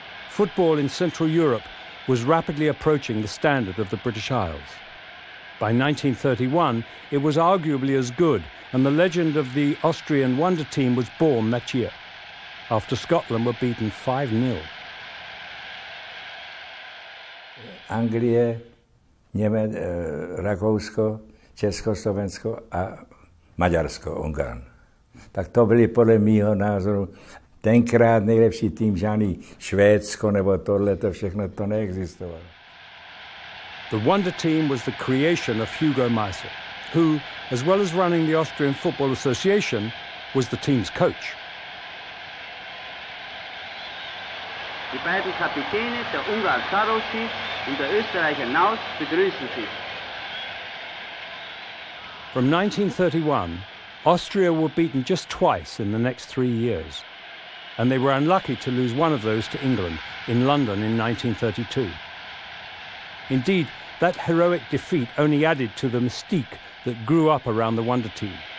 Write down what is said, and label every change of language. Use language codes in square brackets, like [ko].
[en] Football in Central Europe was rapidly approaching the standard of the British Isles. By 1931, it was arguably as good, and the legend of the Austrian Wonder Team was born that year, after Scotland were beaten 5-0. [cs] Anglia, Němec, Rakousko, Československo a Maďarsko, Ungarn. Tak to byly podle mýho názoru tenkrát nejlepší tým, žádný Švédsko nebo tohle, to všechno to neexistovalo. [en] The Wonder Team was the creation of Hugo Meisel, who, as well as running the Austrian Football Association, was the team's coach. [de] Die beiden Kapitäne, der Ungar Sarosi und der Österreicher Naus, begrüßen Sie. [en] From 1931, Austria were beaten just twice in the next 3 years, and they were unlucky to lose one of those to England in London in 1932. Indeed, that heroic defeat only added to the mystique that grew up around the Wonder Team.